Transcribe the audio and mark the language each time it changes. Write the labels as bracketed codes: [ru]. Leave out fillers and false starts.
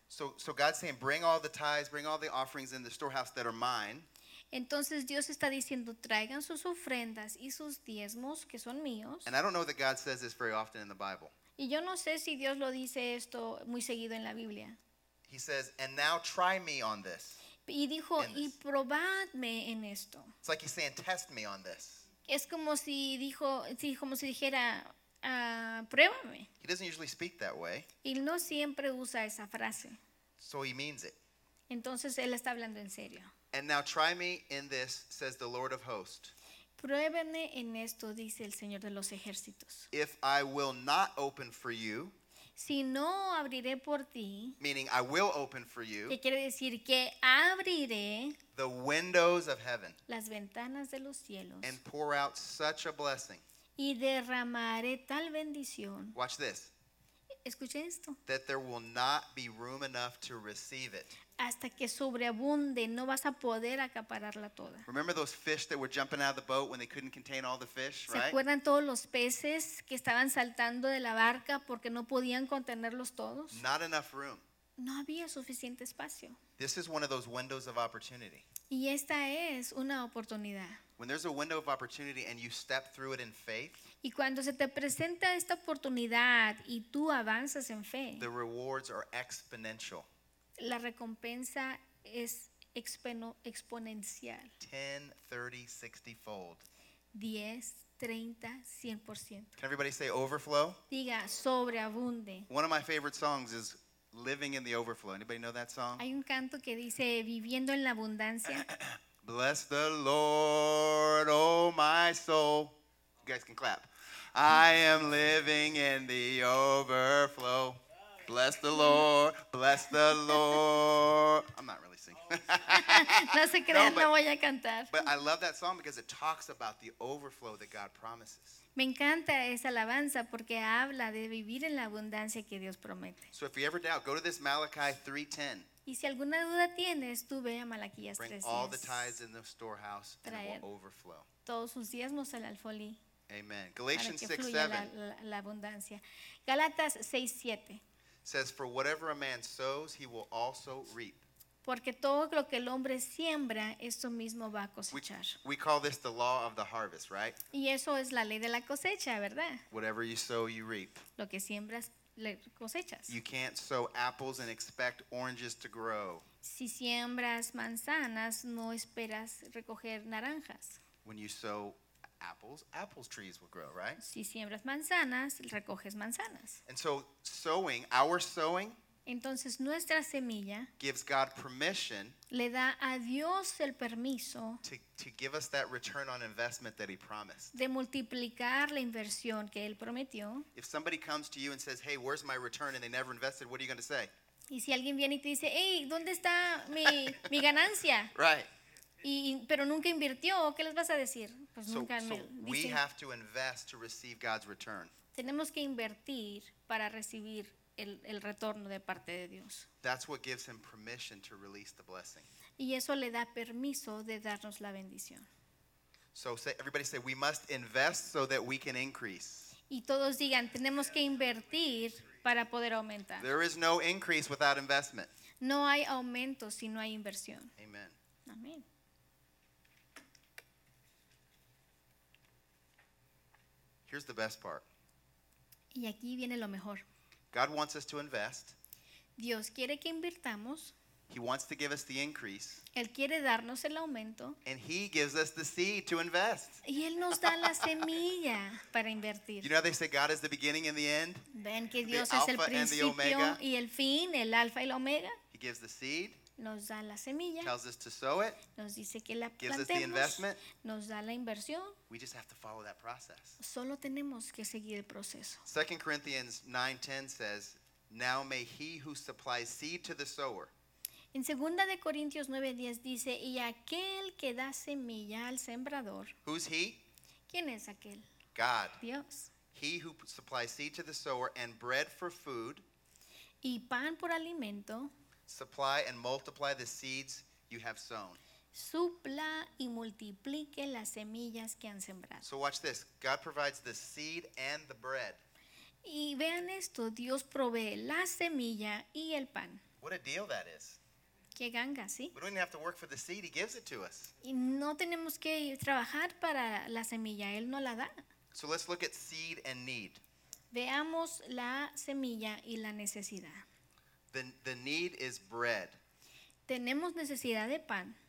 [en] So God's saying, bring all the tithes, bring all the offerings in the storehouse that are mine. [es] Entonces Dios está diciendo, traigan sus ofrendas y sus diezmos que son míos. [en] And I don't know that God says this very often in the Bible. [es] Y yo no sé si Dios lo dice esto muy seguido en la Biblia. [en] He says, and now try me on this. [es] Y dijo, y probadme en esto. [en] It's like he's saying, test me on this. [es] Es como si dijo, sí, como si dijera, pruébame. [en] He doesn't usually speak that way. [es] Y no siempre usa esa frase. [en] So he means it. [es] Entonces él está hablando en serio. [en] And now try me in this, says the Lord of hosts. [es] Pruébenme en esto, dice el Señor de los ejércitos. [en] If I will not open for you, [es] si no abriré por ti, [en] meaning I will open for you, [es] que quiere decir que abriré [en] the windows of heaven, [es] las ventanas de los cielos, [en] and pour out such a blessing, [es] y derramaré tal bendición. [en] Watch this. [es] Escuche esto. [en] That there will not be room enough to receive it. [es] Hasta que sobreabunde, no vas a poder acapararla toda. [en] Remember those fish that were jumping out of the boat when they couldn't contain all the fish, [es] ¿se [en] right? [es] ¿Se acuerdan todos los peces que estaban saltando de la barca porque no podían contenerlos todos? [en] Not enough room. [es] No había suficiente espacio. [en] This is one of those windows of opportunity. [es] Y esta es una oportunidad. [en] When there's a window of opportunity and you step through it in faith, [es] y cuando se te presenta esta oportunidad y tú avanzas en fe, [en] the rewards are exponential. [es] La recompensa es exponencial. [en] 10, 30, 60 fold. [es] 10, 30, 100%. [en] Can everybody say overflow? [es] Diga sobreabunde. [en] One of my favorite songs is Living in the Overflow. Anybody know that song? [es] Hay un canto que dice Viviendo en la Abundancia. [en] Bless the Lord, oh my soul. You guys can clap. I am living in the overflow. Bless the Lord, bless the Lord. I'm not really singing. [es] No se crean, no voy a cantar. [en] But I love that song because it talks about the overflow that God promises. [es] Me encanta esa alabanza porque habla de vivir en la abundancia que Dios promete. [en] So if you ever doubt, go to this Malachi 3:10. [es] Y si alguna duda tienes, tú ve a Malaquías 3:10. [en] Bring all the tithes in the storehouse and it will overflow. [es] Todos sus diezmos al alfolí. [en] Amen. Galatians 6:7. [es] La abundancia. Galatas 6:7. [en] Says, for whatever a man sows, he will also reap. [es] Porque todo lo que el hombre siembra, eso mismo va a cosechar. [en] We call this the law of the harvest, right? [es] Y eso es la ley de la cosecha, ¿verdad? [en] Whatever you sow, you reap. [es] Lo que siembras, le cosechas. [en] You can't sow apples and expect oranges to grow. [es] Si siembras manzanas, no esperas recoger naranjas. [en] When you sow apples, apples trees will grow, right? [es] Si siembras manzanas, recoges manzanas. [en] And so sowing, our sowing, [es] entonces nuestra semilla [en] gives God permission, [es] le da a Dios el permiso [en] to give us that return on investment that he promised, [es] de multiplicar la inversión que él prometió. [en] If somebody comes to you and says, hey, where's my return, and they never invested, what are you going to say? [es] Y si alguien viene y te dice, hey, ¿dónde está mi ganancia? [en] Right. [es] Pero nunca invirtió, ¿qué les vas a decir? Pues nunca. [en] So we have to invest to receive God's return. [es] Tenemos que invertir para recibir el retorno de parte de Dios. [en] That's what gives him permission to release the blessing. [es] Y eso le da permiso de darnos la bendición. [en] So say, everybody say, we must invest so that we can increase. [es] Y todos digan, tenemos que invertir para poder aumentar. [en] There is no increase without investment. [es] No hay aumento si no hay inversión. [en] Amen. [es] Amén. [en] Here's the best part. [es] Y aquí viene lo mejor. [en] God wants us to invest. [es] Dios quiere que invirtamos. [en] He wants to give us the increase. [es] Él quiere darnos el aumento. [en] And he gives us the seed to invest. [es] Y él nos da la semilla para invertir. [en] You know they say God is the beginning and the end? [es] Ven que Dios es el principio y el fin, el alfa y el omega. [en] He gives the seed. [es] Nos da la semilla. [en] Tells us to sow it. [es] Nos dice que la [en] gives [es] plantemos. [en] Us the investment. [es] Nos da la inversión. [en] We just have to follow that process. [es] Solo tenemos que seguir el proceso. [en] 2 Corinthians 9:10 says, now may he who supplies seed to the sower. [es] En 2 Corintios 9:10 dice, y aquel que da semilla al sembrador. [en] Who's he? [es] ¿Quién es aquel? [en] God. [es] Dios. [en] He who supplies seed to the sower and bread for food. [es] Y pan por alimento. [en] Supply and multiply the seeds you have sown. [es] Supla y multiplique las semillas que han sembrado. [en] So watch this. God provides the seed and the bread. [es] Y vean esto. Dios provee la semilla y el pan. [en] What a deal that is. [es] Qué ganga, ¿sí? [en] We don't even have to work for the seed. He gives it to us. [es] Y no tenemos que trabajar para la semilla. Él no la da. [en] So let's look at seed and need. [es] Veamos la semilla y la necesidad. [en] The need is bread. [es] Tenemos necesidad de pan.